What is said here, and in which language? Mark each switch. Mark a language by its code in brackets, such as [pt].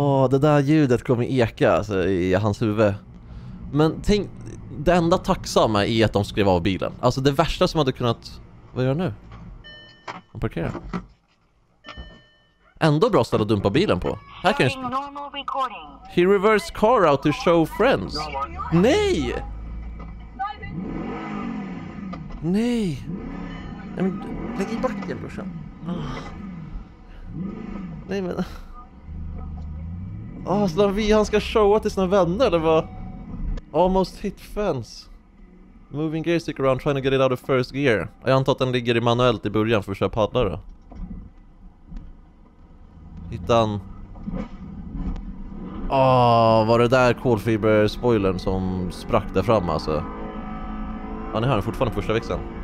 [sv] Det där ljudet kommer eka alltså, i hans huvud. Men tänk, det enda tacksamma är att de skrev av bilen. Alltså, det värsta som hade kunnat... Vad gör nu? Han parkerar. Ändå bra ställe att dumpa bilen på. Här kan jag... [en] He reversed car out to show friends. [sv] Nej! Nej! Nej men, lägg i backen, brorsan. Nej men... Så han ska showa till sina vänner, eller vad? [en] Almost hit fence. Moving gear stick around, trying to get it out of first gear. [sv] Jag antar att den ligger i manuellt i början för att köra paddla då. Hittan. Var det där kolfiber-spoilern som sprack där fram alltså? Ja, ni hör den fortfarande första växeln.